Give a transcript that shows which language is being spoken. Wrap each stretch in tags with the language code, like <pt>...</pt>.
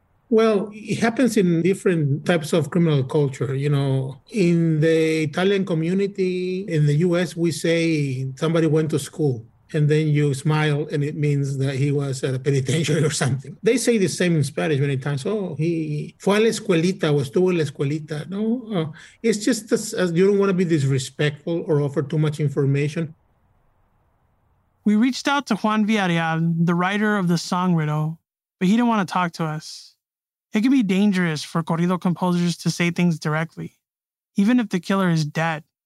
<en>Well, it happens in different types of criminal culture. You know, in the Italian community, in the U.S., we say somebody went to school. And then you smile and it means that he was at a penitentiary or something. They say the same in Spanish many times. Oh, he</en> <es>fue a la escuelita, o estuvo en la escuelita.</es> <en>No, it's just you don't want to be disrespectful or offer too much information. We reached out to Juan Villarreal, the writer of the song Riddle, but he didn't want to talk to us. It can be dangerous for corrido composers to say things directly, even if the killer is dead.</en>